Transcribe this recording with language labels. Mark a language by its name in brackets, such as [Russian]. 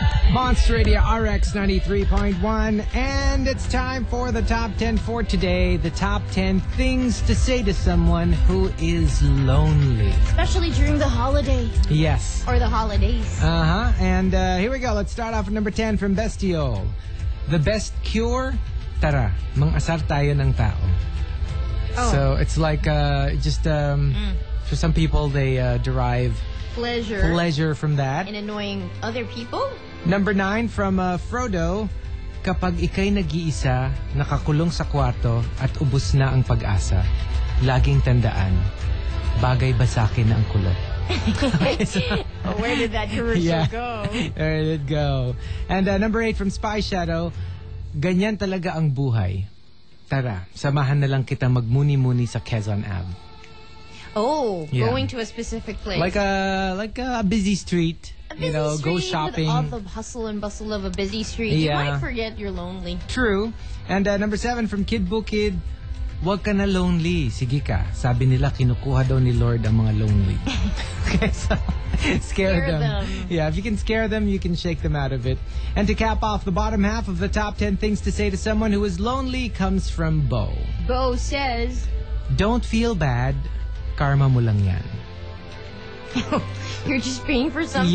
[English] Monster Radio RX 93.1, and it's time for the top 10 for today. The top 10 things to say to someone who is lonely. Especially during the holidays. Yes. Or the holidays. Uh-huh. And here we go. Let's start off at number 10 from Bestio. The best cure? [Filipino] Tara, mang-asar tayo ng tao. [English] Oh. So it's like for some people, they derive pleasure from that. In annoying other people? Number 9 from Frodo. [Filipino] Kapag ikay nag-iisa, nakakulong sa kwarto at ubos na ang pag-asa, laging tandaan, bagay ba sa akin ang kulot? [English] Where did that commercial go? There it go. And number 8 from Spy Shadow. [Filipino] Ganyan talaga ang buhay. Tara, samahan na lang kita magmuni-muni sa Quezon Ave. [English] Oh, yeah. Going to a specific place. Like a busy street. You know, go shopping. With all the hustle and bustle of a busy street. Yeah. You might forget you're lonely. True. And number 7 from Kid Boo Kid. [Filipino] Huwag ka na lonely. Sige ka. Sabi nila, kinukuha daw ni Lord ang mga lonely. [English] Okay, so scare them. Yeah, if you can scare them, you can shake them out of it. And to cap off, the bottom half of the top 10 things to say to someone who is lonely comes from Bo. Bo says, don't feel bad. [Filipino] Karma mo lang yan. [English] You're just paying for something.